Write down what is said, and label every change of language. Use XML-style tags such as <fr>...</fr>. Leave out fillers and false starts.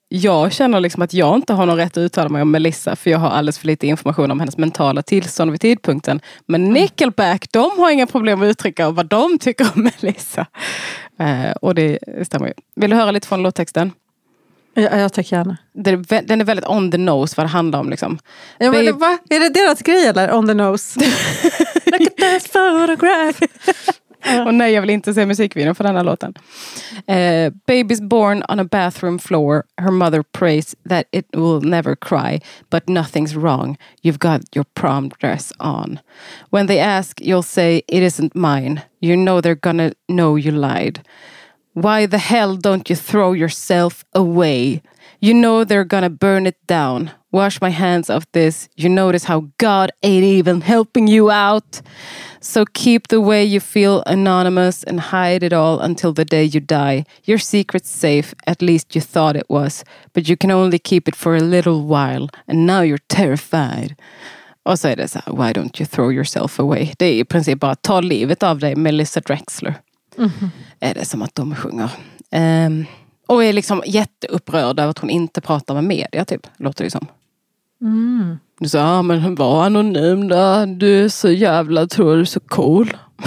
<sv>Jag känner liksom att jag inte har någon rätt att uttala mig om Melissa. För jag har alldeles för lite information om hennes mentala tillstånd vid tidpunkten. Men Nickelback, de har inga problem att uttrycka vad de tycker om Melissa. Och det stämmer ju. Vill du höra lite från låttexten? Ja, jag tycker gärna. Den är väldigt</sv> <en>on the nose</en> <sv>vad det handlar om. Liksom. Ja, men va? Är det deras grej eller</sv> <en>on the nose? Look at this photograph.</en> <sv>Och nej, jag vill inte se musikvideon för den här låten.</sv> <en>Baby's born on a bathroom floor. Her mother prays that it will never cry. But nothing's wrong. You've got your prom dress on. When they ask, you'll say, it isn't mine. You know they're gonna know you lied. Why the hell don't you throw yourself away? You know they're gonna burn it down. Wash my hands of this. You notice how God ain't even helping you out. So keep the way you feel anonymous and hide it all until the day you die. Your secret's safe, at least you thought it was. But you can only keep it for a little while. And now you're terrified.</en> <sv>Och så är det så här,</sv> <en>why don't you throw yourself away?</en> <sv>Det är i princip bara ta livet av dig, Melissa Drexler. Är det som att de sjunger. Och är liksom jätteupprörd över att hon inte pratar med media, typ. Låter det som. Du sa, men var anonym då. Du är så jävla, tror du, så cool.</sv>